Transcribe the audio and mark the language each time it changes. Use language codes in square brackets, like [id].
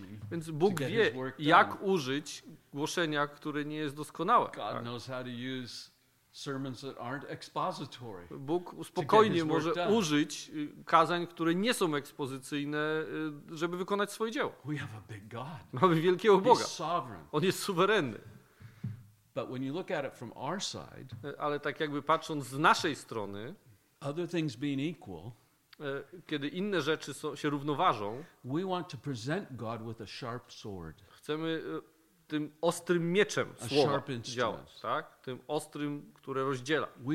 [pl] Więc Bóg wie, jak użyć głoszenia, które nie jest doskonałe. Tak? [en] Sermons that aren't expository. [pl] Bóg spokojnie może użyć kazań, które nie są ekspozycyjne, żeby wykonać swoje dzieło. [en] We have a big God. [pl] Mamy wielkiego Boga. [en] He's sovereign. [pl] On jest suwerenny. [en] But when you look at it from our side, [pl] ale tak jakby patrząc z naszej strony, [en] other things being equal, [pl] kiedy inne rzeczy się równoważą, [en] we want to present God with a sharp sword. [pl] Chcemy tym ostrym mieczem słowa działać, tak? Tym ostrym, które rozdziela.